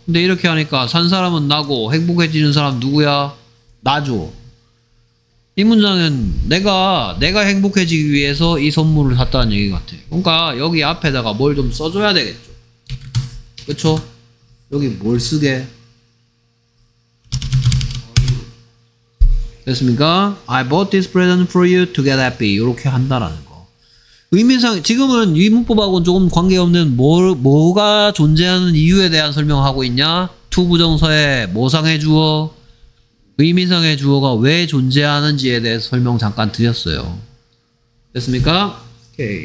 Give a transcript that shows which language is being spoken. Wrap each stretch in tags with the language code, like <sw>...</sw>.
<ko>근데 이렇게 하니까 산 사람은 나고 행복해지는 사람 누구야? 나죠. 이 문장은 내가 행복해지기 위해서 이 선물을 샀다는 얘기 같아. 그러니까 여기 앞에다가 뭘 좀 써줘야 되겠죠. 그쵸? 여기 뭘 쓰게? 됐습니까?</ko> <en>I bought this present for you to get happy.</en> <ko>이렇게 한다라는 거. 의미상 지금은 이 문법하고는 조금 관계없는 뭐가 존재하는 이유에 대한 설명을 하고 있냐? to 부정사의 모상의 주어, 의미상의 주어가 왜 존재하는지에 대해서 설명 잠깐 드렸어요. 됐습니까? 오케이.</ko>